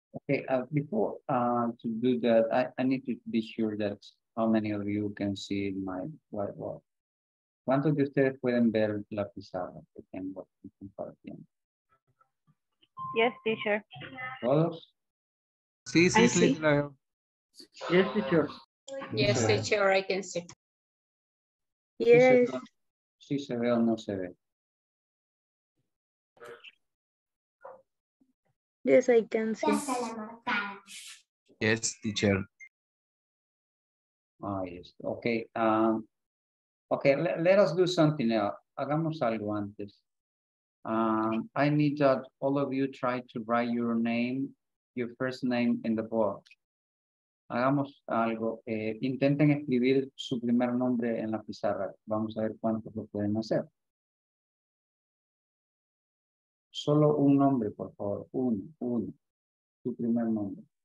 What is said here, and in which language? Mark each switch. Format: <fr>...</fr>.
<en>Okay, before to do that, I need to be sure that how many of you can see my whiteboard.</en> <es>¿Cuántos de ustedes pueden ver la pizarra que tengo compartiendo?</es> <en>Yes, teacher.</en> <es>¿Todos? Sí, sí, sí.</es> <en>Yes, teacher. Yes, teacher, I can see. Yes.</en> <es>¿Sí se ve o no se ve?</es> <en>Yes, I can see. Yes, teacher. Ah, yes. Okay. Okay, let us do something else.</en> <es>Hagamos algo antes.</es> <en>I need that all of you try to write your name, your first name in the book.</en> <es>Hagamos algo. Intenten escribir su primer nombre en la pizarra. Vamos a ver cuántos lo pueden hacer. Solo un nombre, por favor. Uno. Tu primer nombre.</es>